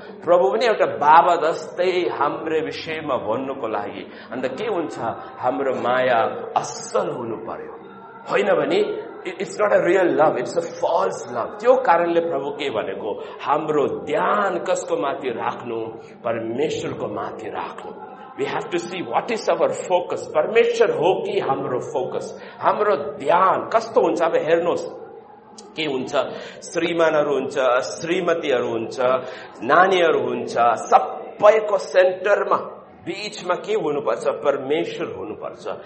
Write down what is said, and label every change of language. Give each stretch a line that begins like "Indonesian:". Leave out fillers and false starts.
Nepali: प्रभु पनि एउटा बाबा जस्तै हाम्रो विषयमा भन्नुको लागि. अन्त के हुन्छ, हाम्रो माया असल हुनु पर्यो, होइन भने
English: It's not a real love, it's a false love.
Nepali: त्यो कारणले प्रभु के भनेको, हाम्रो ध्यान कसको माथि राख्नु, परमेश्वरको माथि राख्नु.
English: We have to see what is our focus.
Nepali: परमेश्वर हो कि हाम्रो फोकस, हाम्रो ध्यान कस्तो हुन्छ. अब हेर्नुहोस् के हुन्छ, श्रीमानहरू हुन्छ, श्रीमतीहरू हुन्छ, नानीहरू हुन्छ, सबैको सेन्टरमा बिचमा के हुनुपर्छ, परमेश्वर हुनुपर्छ.